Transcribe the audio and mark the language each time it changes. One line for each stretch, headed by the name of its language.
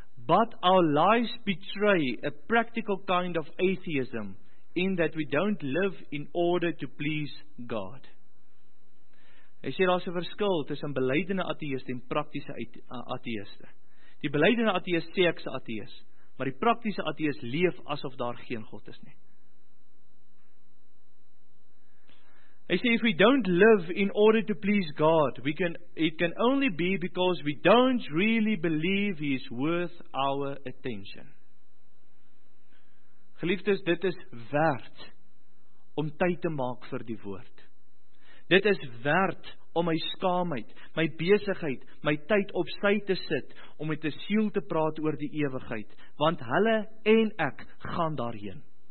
English: But our lives betray a practical kind of atheism in that we don't live in order to please God.
Afrikaans: Hy sê daar is 'n verskil tussen belydende ateïste en praktiese ateïste. Die belydende ateïs sê ek is 'n ateïs, maar die praktiese ateïs leef asof daar geen God is nie. Hy sê,
English: if we don't live in order to please God, it can only be because we don't really believe He is worth our attention.
Afrikaans: Geliefdes, dit is werd om tyd te maak vir die woord. Dit is werd om my skaamheid, my besigheid, my tyd op sy te sit, om met 'n siel te praat oor die ewigheid, want hulle en ek gaan daarheen.